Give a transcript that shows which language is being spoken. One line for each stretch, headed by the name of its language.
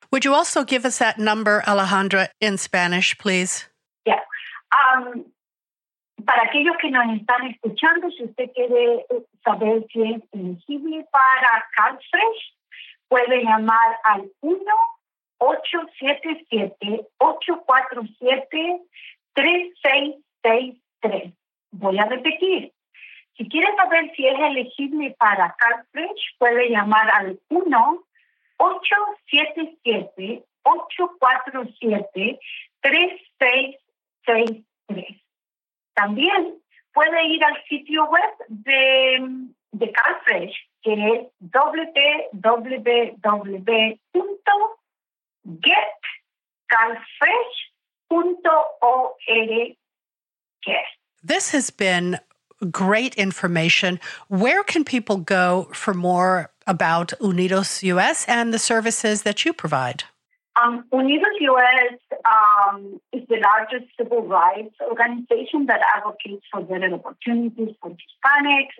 English: Would you also give us that number, Alejandra, in Spanish, please? Yeah.
Spanish: Para aquellos que nos están escuchando, si usted quiere saber si es elegible para CalFresh, puede llamar al 1-877-847-3663. Voy a repetir. Si quiere saber si es elegible para CalFresh, puede llamar al 1-877-847-3663. También puede ir al sitio web de CalFresh, que es www.getcalfresh.org.
English: This has been great information. Where can people go for more about Unidos US and the services that you provide? Unidos US is the largest civil rights organization that advocates for better opportunities for Hispanics.